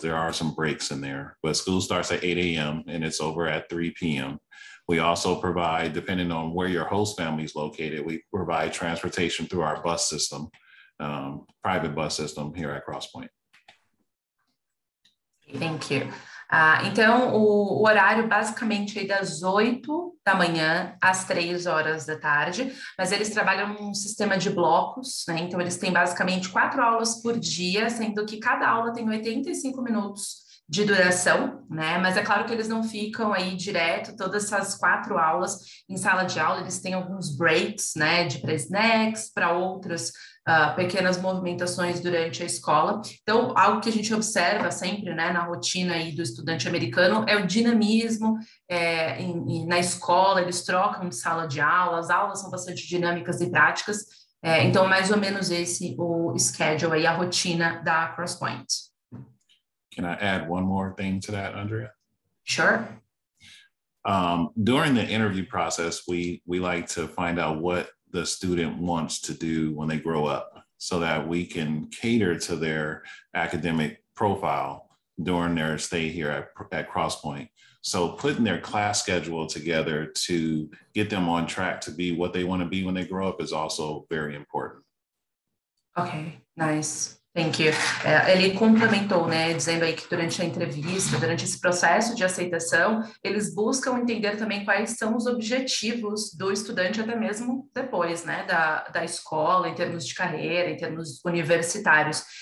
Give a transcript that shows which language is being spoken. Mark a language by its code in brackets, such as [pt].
[en] There are some breaks in there, but school starts at 8 a.m. and it's over at 3 p.m. We also provide, depending on where your host family is located, we provide transportation through our bus system, private bus system here at Crosspoint. Thank you. [pt] Então, o horário basicamente é das 8 da manhã às 3 horas da tarde, mas eles trabalham num sistema de blocos, né? Então, eles têm basicamente 4 aulas por dia, sendo que cada aula tem 85 minutos de duração, né? Mas é claro que eles não ficam aí direto todas essas 4 aulas em sala de aula, eles têm alguns breaks, né? De pré-snacks para outras pequenas movimentações durante a escola. Então, algo que a gente observa sempre, né, na rotina aí do estudante americano é o dinamismo na escola, eles trocam de sala de aula, as aulas são bastante dinâmicas e práticas. Então, mais ou menos esse o schedule aí, a rotina da Crosspoint. [en] Can I add one more thing to that, Andrea? Sure. During the interview process, we like to find out what the student wants to do when they grow up so that we can cater to their academic profile during their stay here at Crosspoint. So putting their class schedule together to get them on track to be what they want to be when they grow up is also very important. Okay, nice. Thank you. [pt] Ele complementou, né, dizendo aí que durante a entrevista, durante esse processo de aceitação, eles buscam entender também quais são os objetivos do estudante até mesmo depois, né, da escola, em termos de carreira, em termos universitários.